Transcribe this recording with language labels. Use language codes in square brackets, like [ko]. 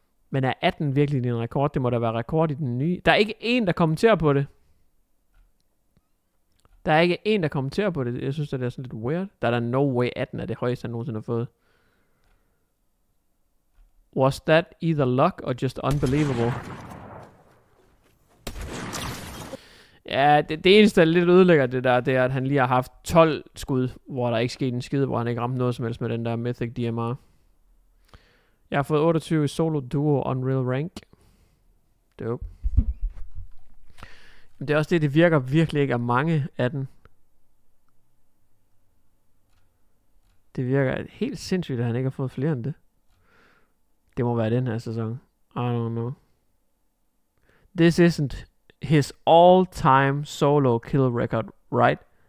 [da] Men er 18 virkelig din rekord? Det må da være rekord i den nye. Der er ikke en der kommenterer på det. Der er ikke en der kommenterer på det. Jeg synes det er sådan lidt weird. Der er [en] no way [da] 18 er det højeste han nogensinde har fået. [en] Was that either luck or just unbelievable? [da] Ja, det eneste der lidt ødelægger det der, det er at han lige har haft 12 skud, hvor der ikke skete en skid, hvor han ikke ramte noget som helst med den der Mythic DMR. Jeg har fået 28 solo duo Unreal Rank. Dope. Men det er også det virker virkelig ikke af mange af den. Det virker helt sindssygt at han ikke har fået flere end det. Det må være den her sæson. [en] I don't know. This isn't his all-time solo kill record, right?